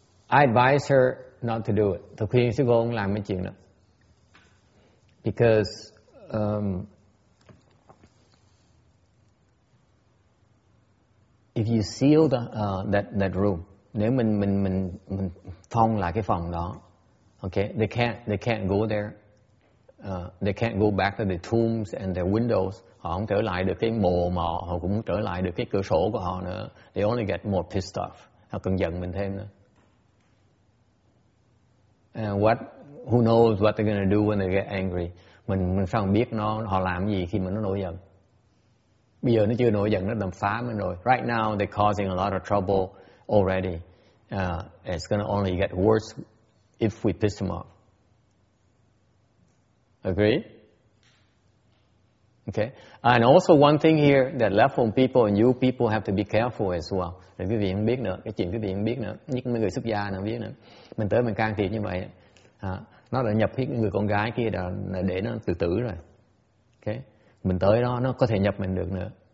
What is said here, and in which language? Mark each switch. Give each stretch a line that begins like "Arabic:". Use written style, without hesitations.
English: I advise her not to do it.
Vietnamese: Tôi khuyên sư cô không làm cái chuyện đó.
English: Because if you seal that room,
Vietnamese: nếu mình phong lại cái phòng đó,
English: okay, they can't go there. They can't go back to the tombs and their windows.
Vietnamese: Họ không trở lại được cái mồ mà họ cũng trở lại được cái cửa sổ của họ nữa.
English: They only get more pissed off.
Vietnamese: Họ còn giận mình thêm nữa.
English: And what? Who knows what they're gonna do when they get angry?
Vietnamese: Mình sao biết nó họ làm gì khi mà nó nổi giận? Bây giờ nó chưa nổi giận nó làm phá mình rồi.
English: Right now they're causing a lot of trouble already. It's gonna only get worse if we piss them off. Agree? Okay. And also one thing here that left home people and you people have to be careful as well.
Vietnamese: Để quý vị không biết nữa, cái chuyện quý vị không biết nữa, nhất là người xuất gia nào biết nữa. Mình tới mình can thiệp như vậy, nó đã nhập hết người con gái kia đã để nó tự tử rồi. Okay. Mình tới đó nó có thể nhập mình được nữa.